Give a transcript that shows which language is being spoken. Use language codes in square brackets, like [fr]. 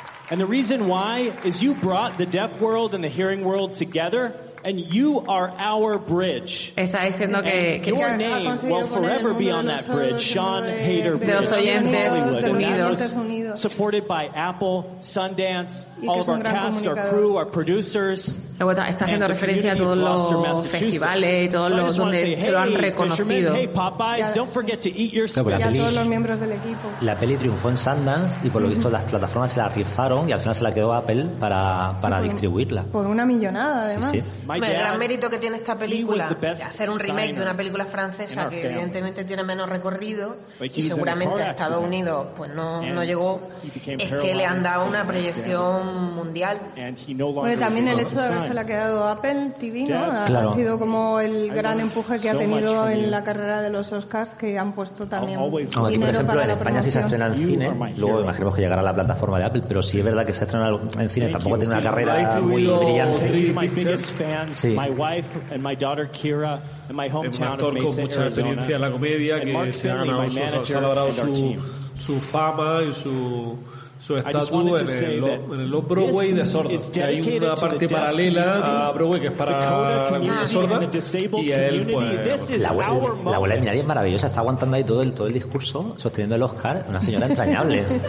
[en] And the reason why is you brought the deaf world and the hearing world together, and you are our bridge. [es] Está diciendo que [en] your name will forever be on that bridge, Sean Hader Bridge. [es] De los oyentes unidos. [en] Supported by Apple, Sundance, all of our cast, our crew, our producers. [es] Está haciendo referencia a todos los festivales y todos los donde se lo han reconocido. [en] Hey, Popeyes, don't forget to eat your [es] squid. Y a todos los miembros del equipo. La peli triunfó en Sundance y por lo visto las plataformas se la rifaron y al final se la quedó Apple para distribuirla. Por una millonada, además. Sí, sí. El gran mérito que tiene esta película es hacer un remake de una película francesa que evidentemente tiene menos recorrido y seguramente a Estados Unidos pues no llegó, es que le han dado una proyección mundial. Bueno, también el hecho de haberse la quedado Apple TV, ¿no? Ha sido como el gran empuje que ha tenido en la carrera de los Oscars, que han puesto también dinero para la promoción. Por ejemplo, en España sí se estrena en cine, luego imaginemos que llegará a la plataforma de Apple, pero sí es verdad que se estrena en cine, tampoco tiene una carrera muy brillante. Fans, sí. [en] My wife and my daughter Kira and my hometown actor of Mesa, [es] con mucha experiencia en la comedia que se ha ganado su fama y su estatus en el Broadway de sorda. Que hay una parte paralela a Broadway que es para la comunidad sorda y a él pues la abuela de Minari es maravillosa, está aguantando ahí todo el discurso sosteniendo el Oscar, una señora entrañable.